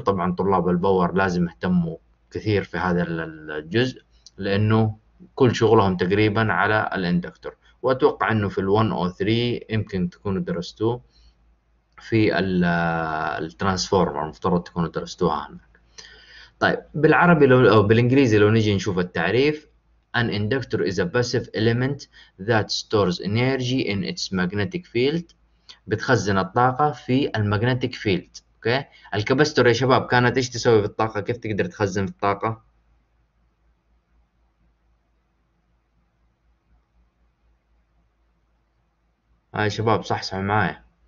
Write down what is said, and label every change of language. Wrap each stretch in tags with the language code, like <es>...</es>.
<ar>طبعا طلاب الباور لازم يهتموا كثير في هذا الجزء لانه كل شغلهم تقريبا على الاندكتور، واتوقع انه في الـ 103 يمكن تكونوا درستوه في الترانسفورمر، مفترض تكونوا درستوها هناك. طيب بالعربي او بالانجليزي لو نجي نشوف التعريف:</ar> <en>An inductor is a passive element that stores energy in its magnetic field.</en> <ar>بتخزن الطاقة في الماجنتيك فيلد. اوكي، الكابستور يا شباب كانت ايش تسوي في الطاقة؟ كيف تقدر تخزن في الطاقة؟ يا شباب صحصحوا معايا.</ar>